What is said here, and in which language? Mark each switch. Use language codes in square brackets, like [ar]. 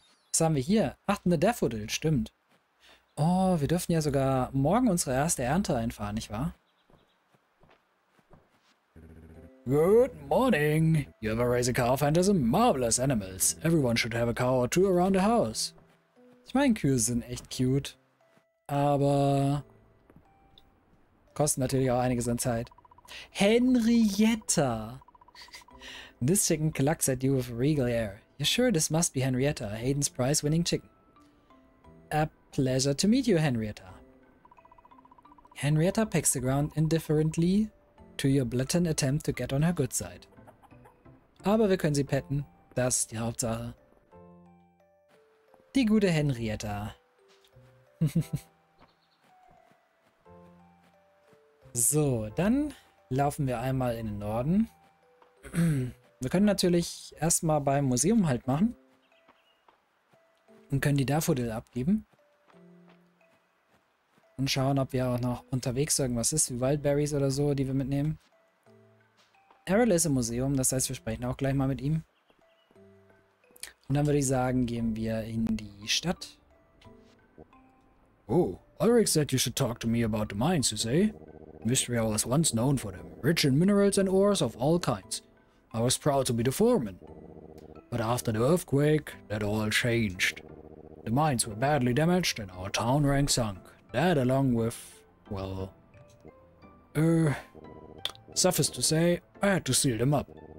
[de] Was haben wir hier? Ach, eine Daffodil, stimmt. Oh, wir dürfen ja sogar morgen unsere erste Ernte einfahren, nicht wahr? [en] Good morning. You ever raise a cow and some marvelous animals. Everyone should have a cow or two around the house. [de] Ich meine, Kühe sind echt cute. Aber kosten natürlich auch einiges an Zeit. [en] Henrietta! This chicken clucks at you with regal air. Sure, this must be Henrietta, Hayden's Prize-winning chicken. A pleasure to meet you, Henrietta. Henrietta pecks the ground indifferently to your blatant attempt to get on her good side. [de] Aber wir können sie petten, das ist die Hauptsache. Die gute Henrietta. So, dann laufen wir einmal in den Norden. Wir können natürlich erstmal beim Museum halt machen und können die Daffodil abgeben und schauen, ob wir auch noch unterwegs irgendwas ist, wie Wildberries oder so, die wir mitnehmen. Errol ist im Museum, das heißt, wir sprechen auch gleich mal mit ihm. Und dann würde ich sagen, gehen wir in die Stadt. [en] Oh, Ulrich said you should talk to me about the mines, you say? Mystria was once known for them, rich in minerals and ores of all kinds. I was proud to be the foreman. But after the earthquake, that all changed. The mines were badly damaged and our town rank sunk. That along with, well, suffice to say, I had to seal them up.